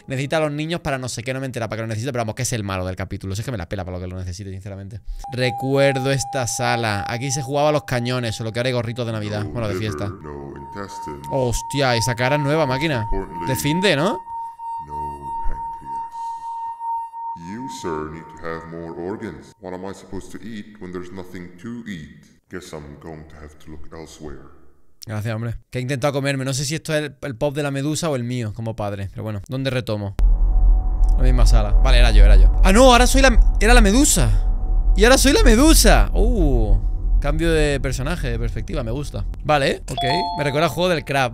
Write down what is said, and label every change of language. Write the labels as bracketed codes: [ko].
[es] Necesita a los niños para no sé qué, no me entera para que lo necesite. Pero vamos, que es el malo del capítulo. Es que me la pela para lo que lo necesite, sinceramente. Recuerdo esta sala. Aquí se jugaba los cañones, o lo que ahora hay gorritos de Navidad. Bueno, de fiesta. Hostia, esa cara es nueva, máquina. De fin de, ¿no? No. [en] You, sir, need to have more organs. What am I supposed to eat when there's nothing to eat? Guess I'm going to have to look elsewhere. [es] Gracias, hombre. Que he intentado comerme. No sé si esto es el pop de la medusa o el mío como padre. Pero bueno, ¿dónde retomo? La misma sala. Vale, era yo, era yo. ¡Ah, no! Ahora soy la... Era la medusa. Y ahora soy la medusa. Cambio de personaje, de perspectiva. Me gusta. Vale, ok. Me recuerda al juego del crab.